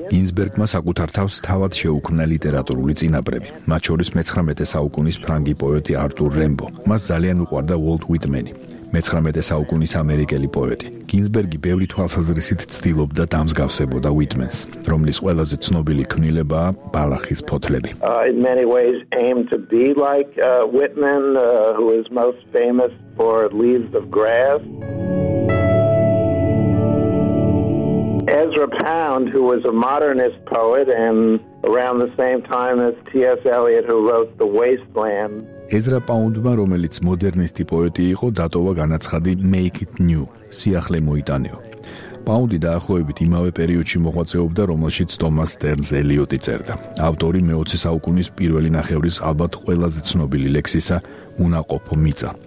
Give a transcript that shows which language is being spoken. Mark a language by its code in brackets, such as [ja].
[ka] გინსბერგმა საკუთარ თავს თავად შეუქმნა ლიტერატურული წინაპრები, მათ შორის მე-19 საუკუნის ფრანგი პოეტი არტურ რემბო. მას ძალიან უყვარდა უოლტ უიტმენი, მე-19 საუკუნის ამერიკელი პოეტი. გინსბერგი ბევრი თვალსაზრისით ცდილობდა დამსგავსებოდა უიტმენს, რომლის ყველაზე ცნობილი ქმნილებაა ბალახის ფოთლები. [en] In many ways aimed to be like Whitman, who is most famous for Leaves of Grass. Ezra Pound, who was a modernist poet and around the same time as T.S. Eliot, who wrote The Wasteland. [ka] Ezra Pound-მა, რომელიც მოდერნისტი პოეტი იყო, დატოვა განაცხადი [en] Make it new, [ka] სიახლე მოიტანეო. Pound-ი დაახლოებით იმავე პერიოდში მოღვაწეობდა, რომელშიც Thomas Stearns Eliot-ი წერდა. ავტორი 20 საუკუნის პირველი ნახევრის ალბათ ყველაზე ცნობილი ლექსისა უნაყოფო მიწა.